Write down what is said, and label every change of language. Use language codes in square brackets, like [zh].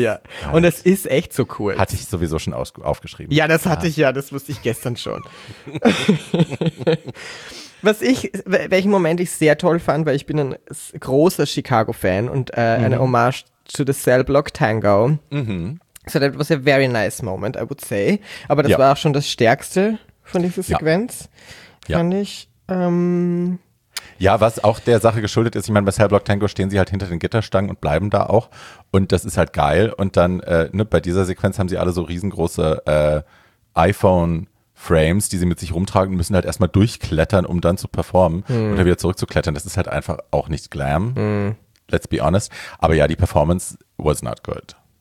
[de] Ja, und es ist echt so cool. Hatte ich sowieso schon aufgeschrieben. Ja, das hatte ich, das wusste ich gestern schon. welchen Moment ich sehr toll fand, weil ich bin ein großer Chicago-Fan und eine Hommage [en] to the [de] Cell Block Tango. Mhm. [en] So that was a very nice moment, I would say. [de] Aber das war auch schon das Stärkste von dieser Sequenz, fand ich. Ja, was auch der Sache geschuldet ist, ich meine, bei Cellblock Tango stehen sie halt hinter den Gitterstangen und bleiben da auch und das ist halt geil und dann bei dieser Sequenz haben sie alle so riesengroße iPhone-Frames, die sie mit sich rumtragen und müssen halt erstmal durchklettern, um dann zu performen oder wieder zurückzuklettern. Das ist halt einfach auch nicht Glam, [en] let's be honest, [de] aber ja, die Performance [en] was not good.